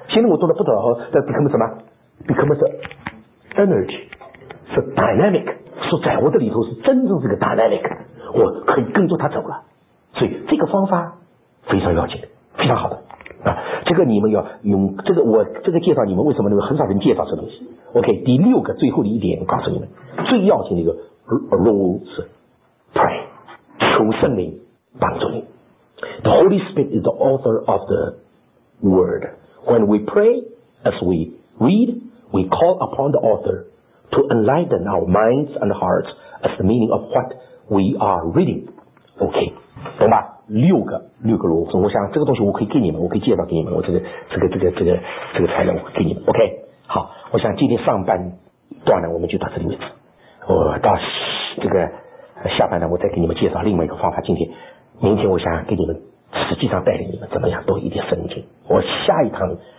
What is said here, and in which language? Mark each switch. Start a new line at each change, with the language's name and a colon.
Chinese: 现在我做的不得了，在 become 什么 ？become 是。Energy 是 dynamic， 说在我这里头是真正是个 dynamic， 我可以跟着他走了，所以这个方法非常要紧，非常好的啊。这个你们要用，这个我这个介绍你们为什么呢？很少人介绍这东西。 OK， 第六个最后的一点，我告诉你们最要紧的一个 role 是 pray， 求圣灵帮助你。
English: The Holy Spirit is the author of the word. When we pray, as we read. We call upon the author to enlighten our minds and hearts as the meaning of what we are reading.
Chinese: OK， 懂吧？六个逻辑，我想这个东西我可以给你们，我可以介绍给你们，我这个材料我给你们。 OK， 好，我想今天上半段呢，我们就到这里为止。我到这个下半段，我再给你们介绍另外一个方法。今天、明天，我想给你们实际上带领你们怎么样多一点圣经。我下一堂。